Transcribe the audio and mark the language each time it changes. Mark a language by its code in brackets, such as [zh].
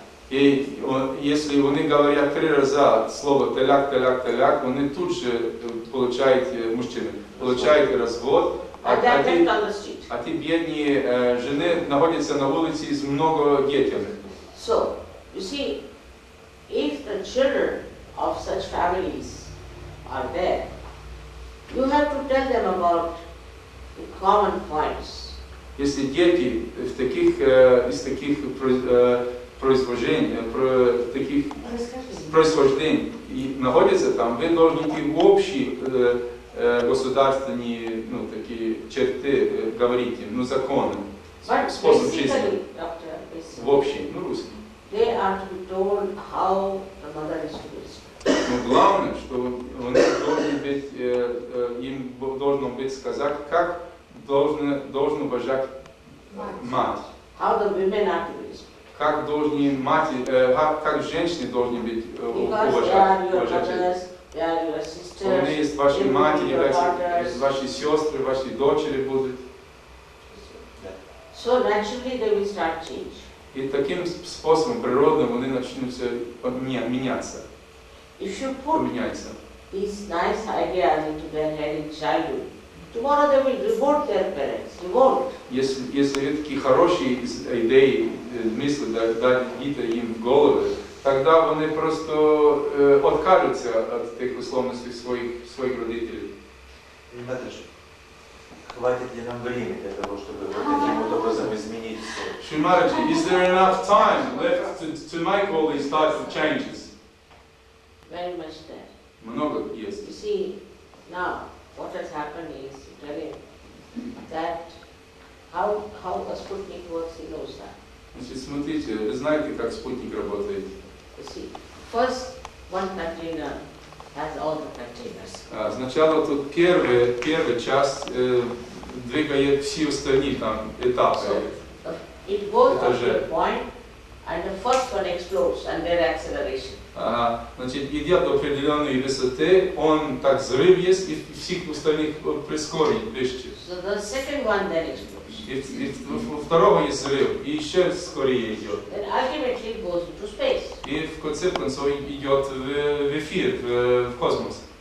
[ru] И если они говорят три раза слово «таляк, таляк, таляк», они тут же получают, мужчины, получают развод. А ты бедные жены находятся на улице с много детьми. [en] So, you see, if the children of such families are there, you have to tell them about the common points. [ru] Если дети в таких из таких происхождений находятся там, вы должны им общие государственные, ну, такие черты говорить им, ну, законы, способ жизни. В общем, ну, русский. [en] They are to be told how the mother is to be respected. [ru] Но главное, что они должны быть, им должно быть сказать, как должен уважать мать. [en] How the women are to be respected. [ru] Как должны мать, как женщины должны быть уважать. Что они есть ваши матери, ваши сестры, ваши дочери будут. [en] So naturally they will start change. [ru] И таким способом природным они начнутся меняться. [en] If you put [ru] поменяться. [en] These nice ideas into their head in childhood, tomorrow they will revolt their parents. Revolt. [ru] Если вы такие хорошие идеи, мысли дадите им в голову, тогда они просто откажутся от тех условностей своих родителей. Хватит ли нам времени для того, чтобы каким-то образом изменить все? [en] Шримададжи, is there enough time left to make all these types of changes? Very much that. [ru] Много, [en] yes. You see, now, what has happened is, you tell him, that how a Sputnik works in Osa. [ru] Значит, смотрите, вы знаете, как спутник работает. [en] First, one container has all the containers. [ru] Сначала тут первая часть двигает все остальные там этапы. [en] So, it goes to the point, and the first one explodes, and there acceleration. [ru] Значит, идет до определенной высоты, он так взрыв есть, и всех остальных прискорит выше. [en] So the second one then explodes. [ru] И второго есть взрыв, и еще скорее идет. [en] Then ultimately it goes into space. [ru] И в конце концов идет в эфир, в космос.